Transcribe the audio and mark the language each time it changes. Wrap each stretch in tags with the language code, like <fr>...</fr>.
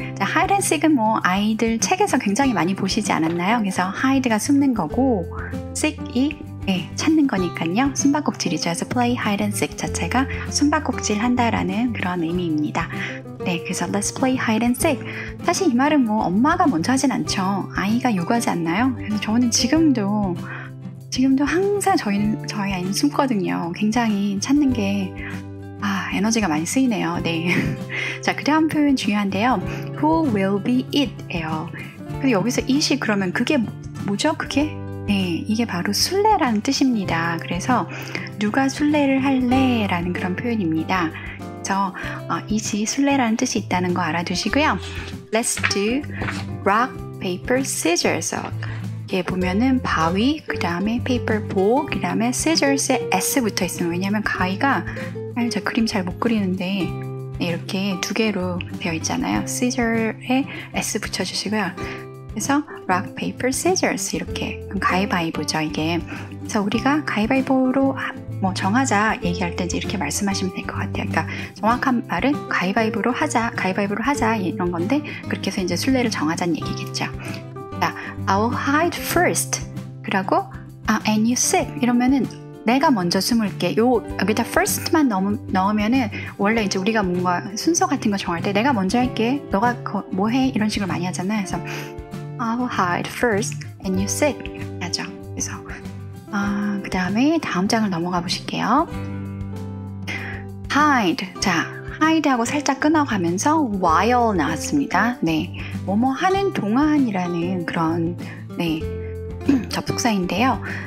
<ko>자, hide and seek은 뭐 아이들 책에서 굉장히 많이 보시지 않았나요? 그래서 hide가 숨는 거고 seek이 네, 찾는 거니까요. 숨바꼭질이죠. 그래서</ko> <en>play hide and seek</en> <ko>자체가 숨바꼭질 한다라는 그런 의미입니다. 네, 그래서</ko> <en>let's play hide and seek.</en> <ko>사실 이 말은 뭐 엄마가 먼저 하진 않죠. 아이가 요구하지 않나요? 그래서 저는 지금도 항상 저희 아이는 숨거든요. 굉장히 찾는 게 에너지가 많이 쓰이네요. 네. 자, 그 다음 표현 중요한데요.</ko> <en>Who will be it?</en> <ko>에요. 근데 여기서 it이 그러면 그게 뭐죠? 그게? 네, 이게 바로 술래라는 뜻입니다. 그래서 누가 술래를 할래? 라는 그런 표현입니다. 그래서 it이 술래라는 뜻이 있다는 거 알아두시고요.</ko> <en>Let's do rock, paper, scissors.</en> <ko>이게 보면은 바위, 그 다음에 paper, 복, 그 다음에 scissors에 s 붙어 있으면 왜냐면 가위가 제가 그림 잘 못 그리는데 이렇게 두 개로 되어 있잖아요. Scissor에 S 붙여주시고요. 그래서 Rock, Paper, Scissors 이렇게 가위바위보죠, 이게. 그래서 우리가 가위바위보로 뭐 정하자 얘기할 때 이렇게 말씀하시면 될 것 같아요. 그러니까 정확한 말은 가위바위보로 하자 이런 건데 그렇게 해서 이제 순례를 정하자는 얘기겠죠. 자,</ko> <en>I'll hide first.</en> <ko>그리고</ko> <en>and you sit.</en> <ko>이러면은 내가 먼저 숨을게. 요 여기다 first만 넣으면은 원래 이제 우리가 뭔가 순서 같은 거 정할 때 내가 먼저 할게. 너가 뭐 해? 이런 식으로 많이 하잖아. 그래서</ko> <en>I'll hide first and you sit.</en> <ko>하죠. 그래서 그 다음에 다음 장을 넘어가 보실게요.</ko> <en>Hide.</en> <ko>자, hide하고 살짝 끊어가면서 while 나왔습니다. 네, 뭐뭐 하는 동안이라는 그런 네 접속사인데요.</ko>